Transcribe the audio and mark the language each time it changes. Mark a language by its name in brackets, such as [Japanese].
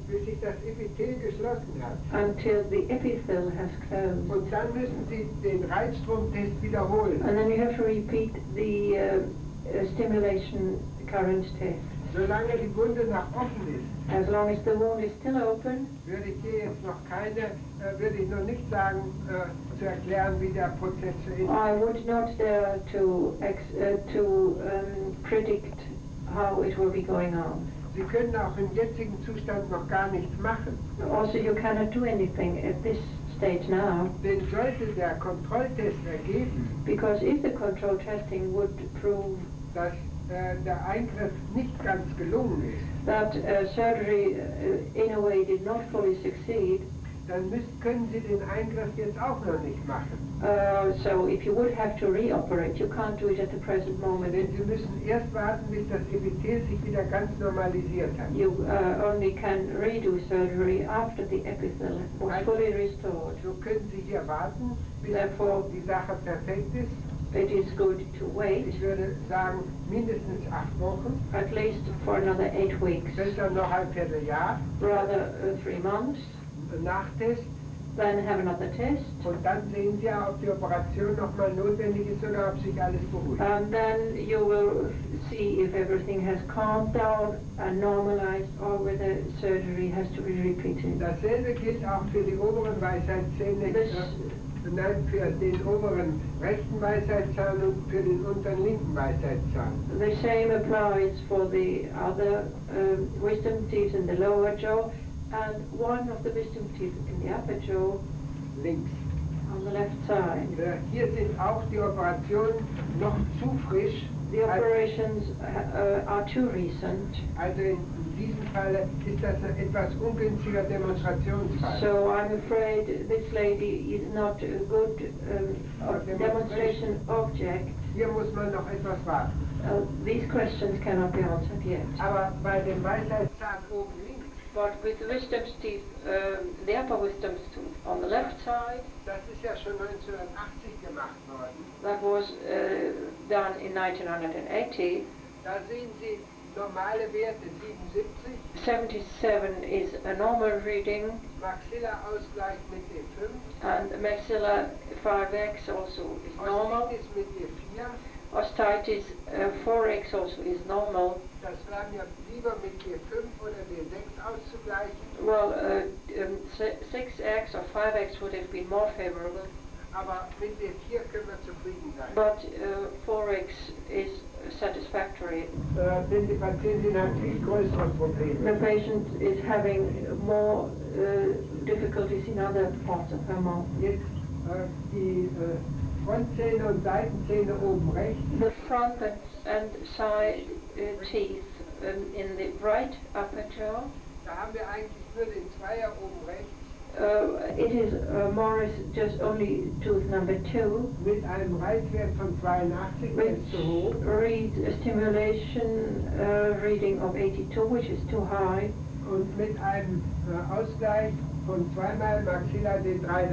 [German] Bis sich das Epithel geschlossen hat. [English] Until the epithel has closed. [German] Und dann müssen Sie den Reizstromtest wiederholen. [English] And then you have to repeat the stimulation current test. [German] Solange die Wunde noch offen ist. [English] As long as the wound is still open. [German] Würde ich hier jetzt noch keine, würde ich noch nicht sagen. [English] I would not dare to predict how it will be going on. [German] Sie können auch im jetzigen Zustand noch gar nichts machen. [English] Also, you cannot do anything at this stage now. [German] Denn sollte der Kontrolltest ergeben, [English] because if the control testing would prove [German] dass der Eingriff nicht ganz gelungen ist, [English] that surgery in a way did not fully succeed, [German] dann können Sie den Eingriff jetzt auch noch nicht machen. [English] So if you would have to reoperate, you can't do it at the present moment. [German] Denn Sie müssen erst warten, bis das Epithel sich wieder ganz normalisiert hat. [English] You only can redo surgery after the epithel was also fully restored. [German] So können Sie hier warten, bis [English] therefore, [German] die Sache perfekt ist. [English] It is good to wait. [German] Ich würde sagen, mindestens 8 Wochen. [English] At least for another 8 weeks. [German] Besser noch ein Vierteljahr. [English] Rather 3 months. [German] Nachtest, [English] then have another test. [German] Und dann sehen Sie, ob die Operation nochmal notwendig ist oder ob sich alles beruhigt. [English] And then you will see if everything has calmed down and normalized or whether surgery has to be repeated. [German] Dasselbe gilt auch für die oberen Weisheitszähne. Nein, für den oberen rechten Weisheitszahn und für den unteren linken Weisheitszahn. [English] The same applies for the other wisdom teeth in the lower jaw. And one of the wisdom teeth in the upper jaw, [German] links, [English] on the left side. [German] Hier sind auch die Operationen noch zu frisch. [English] The operations are too recent. [German] Also in diesem Fall ist das ein etwas ungünstiger Demonstrationsfall. [English] So I'm afraid this lady is not a good demonstration object. [German] Hier muss man noch etwas warten. [English] These questions cannot be answered yet. [German] Aber bei dem Weisheitszahn oben links. [English] But with the wisdom teeth, the upper wisdom tooth on the left side. [German] Das ist ja schon 1980 gemacht worden. [English] That was done in 1980. [German] Da sehen Sie normale Werte 77. [English] 77 is a normal reading. [German] Maxilla Ausgleich mit E5. [English] And maxilla 5X also is normal. [German] Osteitis mit E4. [English] Osteitis 4X also is normal. [German] Das bleiben ja lieber mit E5 oder E6 auszugleichen. [English] Well, 6X or 5X would have been more favorable. [German] Aber mit E4 können wir zufrieden sein. [English] But 4X is satisfactory. [German] Denn die Patientin hat viel größere Probleme. [English] The patient is having more difficulties in other parts of her mouth. [German] Jetzt die Frontzähne und Seitenzähne oben rechts. [English] The front and side teeth in the right upper jaw. [German] Da haben wir eigentlich nur den Zweier oben rechts. [English] It is more is just only tooth number 2. [German] Mit einem Reizwert von 82, [English] which [German] ist zu hoch. [English] Reads a stimulation reading of 82, which is too high. [German] Und mit einem Ausgleich von 2x Maxilla D3, das